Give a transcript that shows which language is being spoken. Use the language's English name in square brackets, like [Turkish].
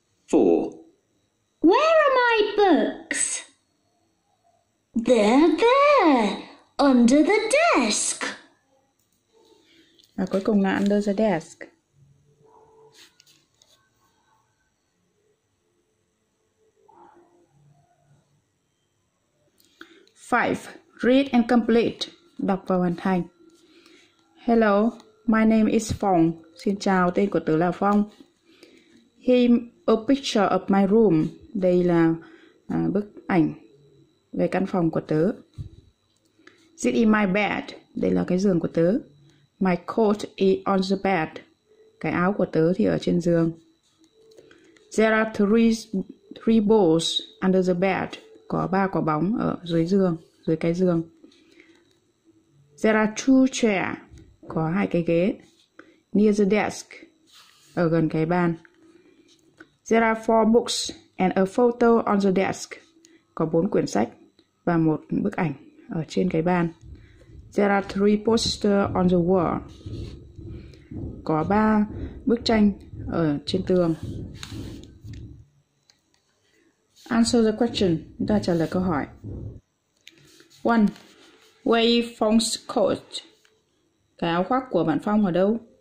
[English] Where are my books? They're there, under the desk. [Vietnamese] Và cuối cùng là [English] under the desk. Five. Read and complete. [Vietnamese] Đọc và hoàn thành. [English] Hello, my name is Phong. [Vietnamese] Xin chào, tên của tớ là Phong. [English] A picture of my room. [Vietnamese] Đây là bức ảnh về căn phòng của tớ. [English] Sit in my bed. [Vietnamese] Đây là cái giường của tớ. [English] My coat is on the bed. [Vietnamese] Cái áo của tớ thì ở trên giường. [English] There are three balls under the bed. [Vietnamese] Có ba quả bóng ở dưới giường, dưới cái giường. [English] There are two chairs. [Vietnamese] Có hai cái ghế. [English] Near the desk. [Vietnamese] Ở gần cái bàn. [English] There are four books and a photo on the desk. [Vietnamese] Có bốn quyển sách và một bức ảnh ở trên cái bàn. [English] There are three posters on the wall. [Vietnamese] Có ba bức tranh ở trên tường. [English] Answer the question. [Vietnamese] Chúng ta trả lời câu hỏi. 1. [English] Where is Phong's coat? [Vietnamese] Cái áo khoác của bạn Phong ở đâu?